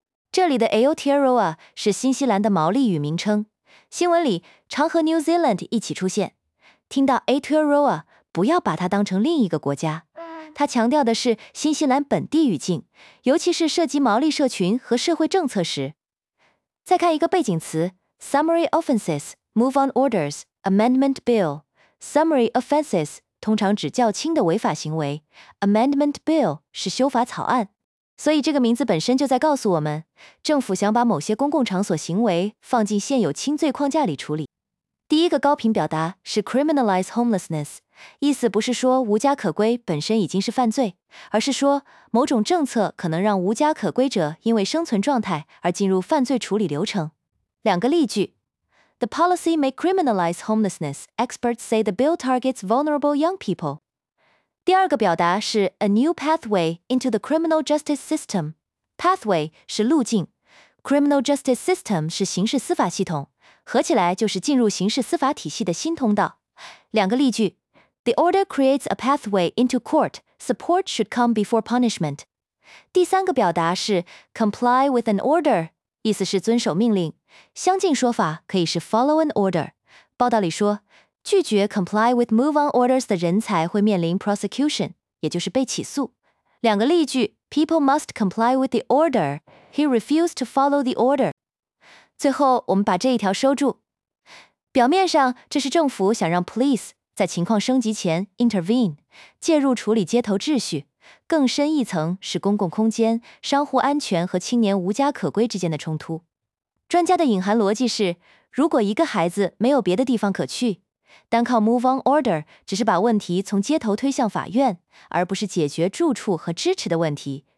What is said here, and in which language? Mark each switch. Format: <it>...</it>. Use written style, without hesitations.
<zh>这里的 Aotearoa 是新西兰的毛利语名称，新闻里常和 New Zealand 一起出现。听到 Aotearoa， 不要把它当成另一个国家。他强调的是新西兰本地语境，尤其是涉及毛利社群和社会政策时。再看一个背景词 ：Summary Offences, Move On Orders, Amendment Bill。 Summary Offences 通常指较轻的违法行为 ，Amendment Bill 是修法草案。所以这个名字本身就在告诉我们，政府想把某些公共场所行为放进现有轻罪框架里处理。第一个高频表达是</zh> <en>criminalize homelessness，</en> <zh>意思不是说无家可归本身已经是犯罪，而是说某种政策可能让无家可归者因为生存状态而进入犯罪处理流程。两个例句：</zh> <en>The policy may criminalize homelessness. Experts say the bill targets vulnerable young people.</en> <zh>第二个表达是</zh> <en>a new pathway into the criminal justice system.</en> <zh>Pathway 是路径，</zh> <en>criminal justice system</en> <zh>是刑事司法系统，合起来就是进入刑事司法体系的新通道。两个例句：</zh> <en>The order creates a pathway into court. Support should come before punishment.</en> <zh>第三个表达是</zh> <en>comply with an order，</en> <zh>意思是遵守命令。相近说法可以是</zh> <en>follow an order。</en> <zh>报道里说，拒绝</zh> <en>comply with move on orders</en> <zh>的人才会面临 prosecution， 也就是被起诉。两个例句：</zh> <en>People must comply with the order. He refused to follow the order.</en> <zh>最后我们把这一条收住。表面上这是政府想让 police 在情况升级前 intervene， 介入处理街头秩序，更深一层是公共空间、商户安全和青年无家可归之间的冲突。专家的隐含逻辑是，如果一个孩子没有别的地方可去，单靠 move on order 只是把问题从街头推向法院，而不是解决住处和支持的问题。</zh>